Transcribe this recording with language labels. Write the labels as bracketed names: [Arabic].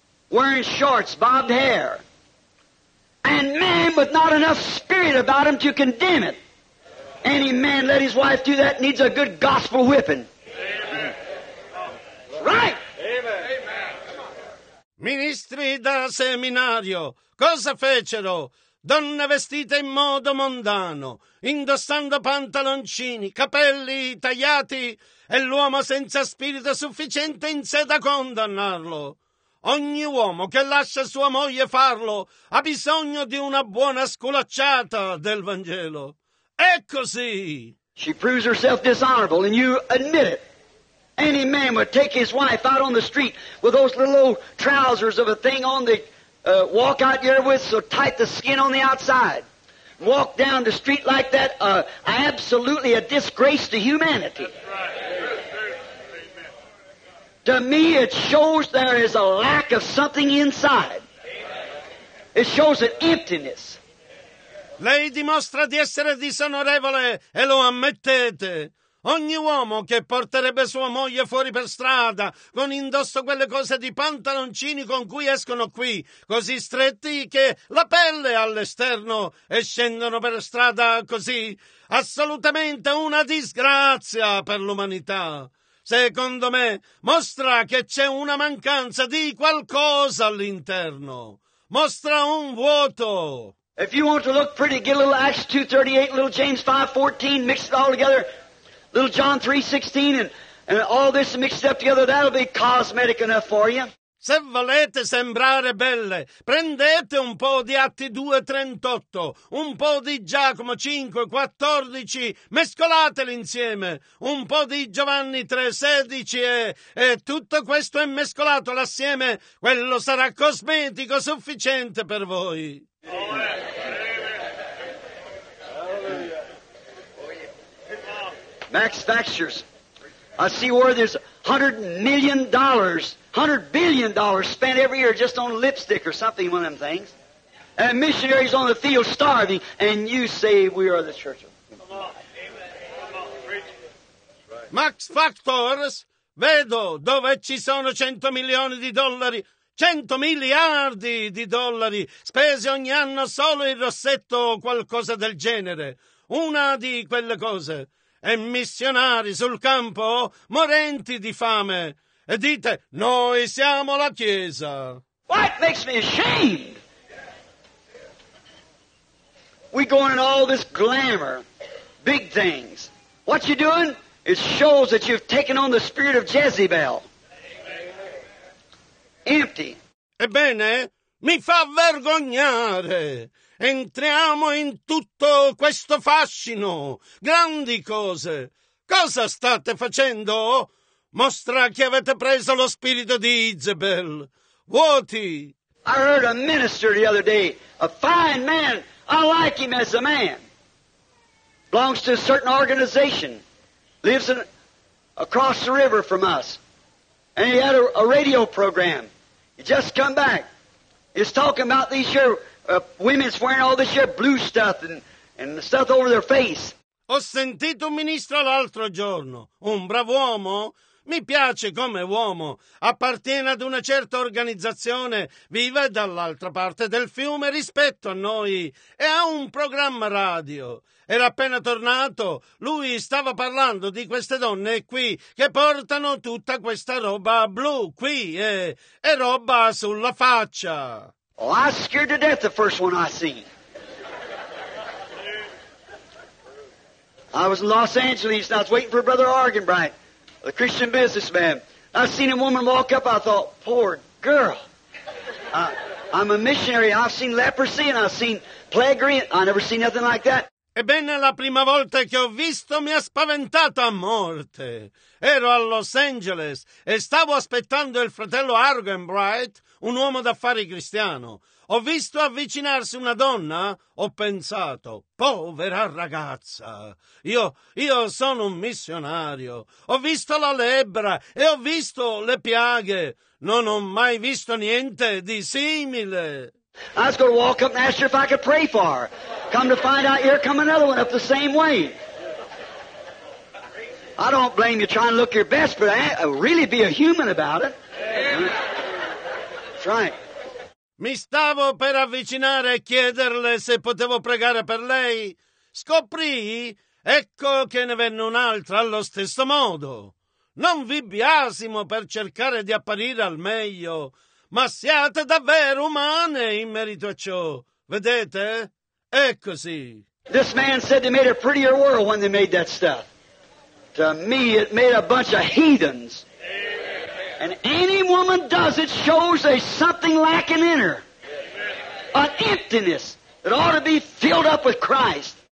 [English] Wearing shorts, bobbed hair. And men with not enough spirit about them to condemn it. Any man let his wife do that needs a good gospel whipping. Amen. Right. Amen. [Italian] Ministri da seminario, cosa fecero? Donne vestite in modo mondano, indossando pantaloncini, capelli tagliati, e l'uomo senza spirito sufficiente in sé da condannarlo. Ogni uomo che lascia sua moglie farlo ha bisogno di una buona sculacciata del Vangelo. È così! [English] She proves herself dishonorable and you admit it. Any man would take his wife out on the street with those little old trousers of a thing on the walk out there with so tight the skin on the outside. Walk down the street like that, absolutely a disgrace to humanity. To me, it shows there is a lack of something inside. It shows an emptiness. [Italian] Lei dimostra di essere disonorevole e lo ammettete. Ogni uomo che porterebbe sua moglie fuori per strada con indosso quelle cose di pantaloncini con cui escono qui, così stretti che la pelle all'esterno e scendono per strada così, assolutamente una disgrazia per l'umanità. Secondo me, mostra che c'è una mancanza di qualcosa all'interno. Mostra un vuoto. [English] If you want to look pretty, get a little Acts 2:38, little James 5:14, mix it all together. Little John 3:16 and all this mixed up together, that'll be cosmetic enough for you. [Italian] Se volete sembrare belle, prendete un po' di Atti 2:38, un po' di Giacomo 5:14, mescolateli insieme, un po' di Giovanni 3:16 e tutto questo è mescolato assieme, quello sarà cosmetico sufficiente per voi. [English] Max Factures, I see where there's $100 million, $100 billion spent every year just on lipstick or something, one of them things. And missionaries on the field starving, and you say we are the church of God. Come on. Amen. Come on. Preach. Right. [Italian] Max Factor, vedo dove ci sono 100 milioni di dollari, 100 miliardi di dollari spesi ogni anno solo in Rossetto o qualcosa del genere. Una di quelle cose. E missionari sul campo morenti di fame. E dite, noi siamo la Chiesa. [English] What makes me ashamed? We going in all this glamour, big things. What you doing? It shows that you've taken on the spirit of Jezebel. Empty. [Italian] Ebbene, mi fa vergognare. Entriamo in tutto questo fascino. Grandi cose. Cosa state facendo? Mostra che avete preso lo spirito di Jezebel. Vuoti. [English] I heard a minister the other day, a fine man. I like him as a man. Belongs to a certain organization. Lives in, across the river from us. And he had a radio program. He just come back. He's talking about these here women's wearing all this here blue stuff and stuff over their face. [Italian] Ho sentito un ministro l'altro giorno, un bravo uomo. Mi piace come uomo, appartiene ad una certa organizzazione, vive dall'altra parte del fiume rispetto a noi e ha un programma radio. Era appena tornato, lui stava parlando di queste donne qui che portano tutta questa roba blu qui e roba sulla faccia. [English] Oh, I was scared to death the first one I seen. I was in Los Angeles and I was waiting for Brother Argenbright. The Christian businessman. I seen a woman walk up. I thought, poor girl. I'm a missionary. I've seen leprosy and I've seen plague. I never seen nothing like that. [Italian] Ebbene, la prima volta che ho visto mi ha spaventato a morte. Ero a Los Angeles e stavo aspettando il fratello Argenbright, un uomo d'affari cristiano. Ho visto avvicinarsi una donna, ho pensato, povera ragazza, io sono un missionario, ho visto la lebbra e ho visto le piaghe, non ho mai visto niente di simile. [English] I was going to walk up and ask her if I could pray for her. Come to find out, here come another one up the same way. I don't blame you trying to look your best, but really be a human about it. That's right. [Italian] Mi stavo per avvicinare e chiederle se potevo pregare per lei. Scoprì, ecco che ne venne un'altra allo stesso modo. Non vi biasimo per cercare di apparire al meglio, ma siate davvero umane in merito a ciò. Vedete? È così. [English] This man said they made a prettier world when they made that stuff. To me it made a bunch of heathens. And any woman does it shows there's something lacking in her. An emptiness that ought to be filled up with Christ.